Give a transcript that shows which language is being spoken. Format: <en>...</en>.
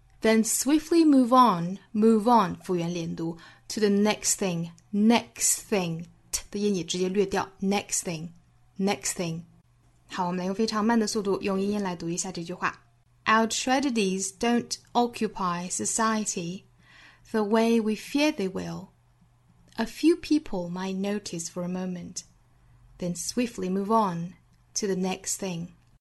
<en>Then swiftly move on, move on,</en> <zh>复原连读</zh> <en>to the next thing, next thing,</en> <zh>t 的音也直接略掉</zh> <en>next thing, next thing.</en> <zh>好，我们来用非常慢的速度用英音来读一下这句话。</zh> <en>Our tragedies don't occupy society the way we fear they will. A few people might notice for a moment, then swiftly move on to the next thing.</en>